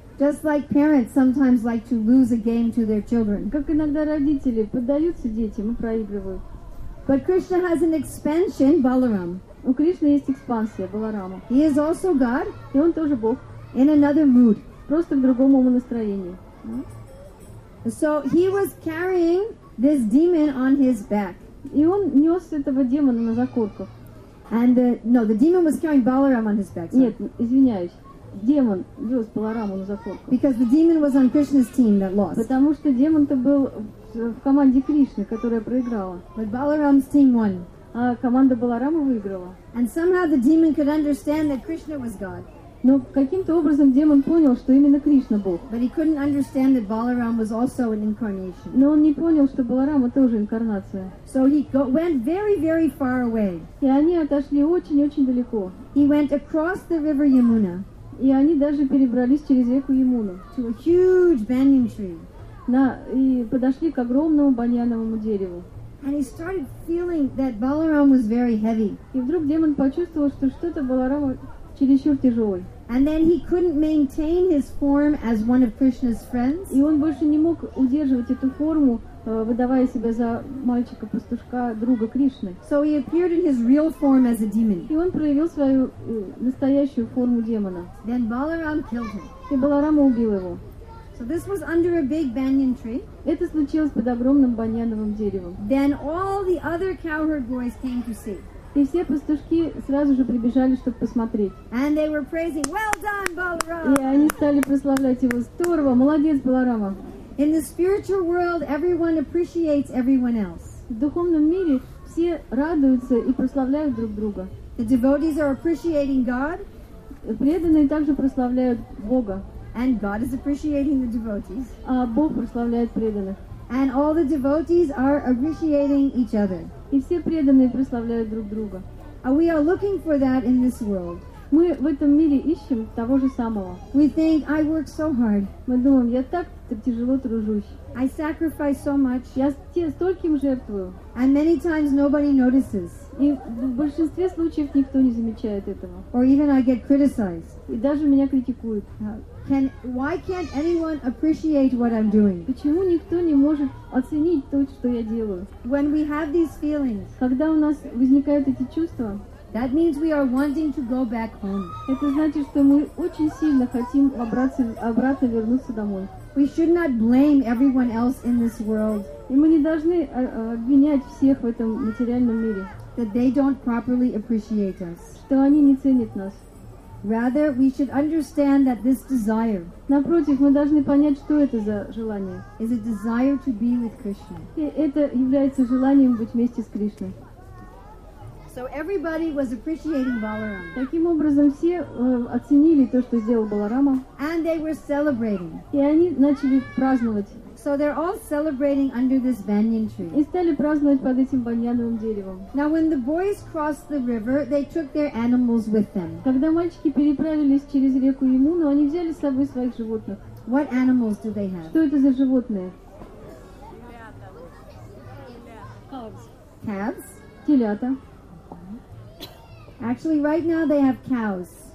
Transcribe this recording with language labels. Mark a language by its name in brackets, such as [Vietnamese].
[English] Just like parents sometimes like to lose a game to their children. [Russian] Как иногда родители поддаются детям и проигрывают. [English] But Krishna has an expansion, Balaram. [Russian] У Кришны есть экспансия, Баларама. [English] He is also God. [Russian] И он тоже Бог. [English] In another mood. [Russian] Просто в другом ему настроении. [English] So he was carrying this demon on his back. [Russian] И он нес этого демона на закорках. [English] And the demon was carrying Balaram on his back. [Russian] Нет, извиняюсь. Демон вез Балараму на закорках. [English] Because the demon was on Krishna's team that lost. [Russian] Потому что демон-то был в команде Кришны, которая проиграла. [English] But Balaram's team won. [Russian] А команда Баларама выиграла. [English] And somehow the demon could understand that Krishna was God. [Russian] Но каким-то образом демон понял, что именно Кришна Бог. [English] But he couldn't understand that Balaram was also an incarnation. [Russian] Но он не понял, что Баларама тоже инкарнация. [English] So he went very, very far away. [Russian] И они отошли очень-очень далеко. [English] He went across the river Yamuna. [Russian] И они даже перебрались через реку Ямуну. [English] To a huge banyan tree. [Russian] И подошли к огромному баньяновому дереву. [English] And he started feeling that Balaram was very heavy. [Russian] И вдруг демон почувствовал, что что-то Баларама чересчур тяжелый. [English] And then he couldn't maintain his form as one of Krishna's friends. [Russian] И он больше не мог удерживать эту форму, выдавая себя за мальчика-пастушка, друга Кришны. [English] So he appeared in his real form as a demon. [Russian] И он проявил свою настоящую форму демона. [English] Then Balaram killed him. [Russian] И Баларама убил его. [English] So this was under a big banyan tree. [Russian] Это случилось под огромным баньяновым деревом. [English] Then all the other cowherd boys came to see. [Russian] И все пастушки сразу же прибежали, чтобы посмотреть. [English] And they were praising, "Well done, Balaram!" [Russian] И они стали прославлять его: "Здорово, молодец, Баларама!" [English] In the spiritual world, everyone appreciates everyone else. [Russian] В духовном мире все радуются и прославляют друг друга. [English] The devotees are appreciating God. [Russian] Преданные также прославляют Бога. [English] And God is appreciating the devotees. [Russian] А Бог прославляет преданных. [English] And all the devotees are appreciating each other. [Russian] И все преданные прославляют друг друга. [English] We are looking for that in this world. [Russian] Мы в этом мире ищем того же самого. [English] We think, I work so hard. [Russian] Мы думаем, я так тяжело тружусь. [English] I sacrifice so much. [Russian] Я стольким жертвую. [English] And many times nobody notices. [Russian] И в большинстве случаев никто не замечает этого. [English] Or even I get criticized. [Russian] И даже меня критикуют. [English] Why can't anyone appreciate what I'm doing? [Russian] Почему никто не может оценить то, что я делаю? [English] When we have these feelings, [Russian] когда у нас возникают эти чувства, [English] that means we are wanting to go back home. [Russian] Это значит, что мы очень сильно хотим обратно вернуться домой. [English] We should not blame everyone else in this world. [Russian] И мы не должны обвинять всех в этом материальном мире. [English] That they don't properly appreciate us. [Russian] Что они не ценят нас. [English] Rather, we should understand that this desire. [Russian] Напротив, мы должны понять, что это за желание. [English] Is a desire to be with Krishna. [Russian] И это является желанием быть вместе с Кришной. [English] So everybody was appreciating Balarama. [Russian] Таким образом, все оценили то, что сделал Баларама. [English] And they were celebrating. [Russian] И они начали праздновать. [English] So they're all celebrating under this banyan tree. [Russian] И стали праздновать под этим баньяновым деревом. [English] Now when the boys crossed the river, they took their animals with them. [Russian] Когда мальчики переправились через реку Ямуну, они взяли с собой своих животных. [English] What animals do they have? [Russian] Что это за животные? [English] Calves. [Russian] Телята. [English] Actually, right now they have cows.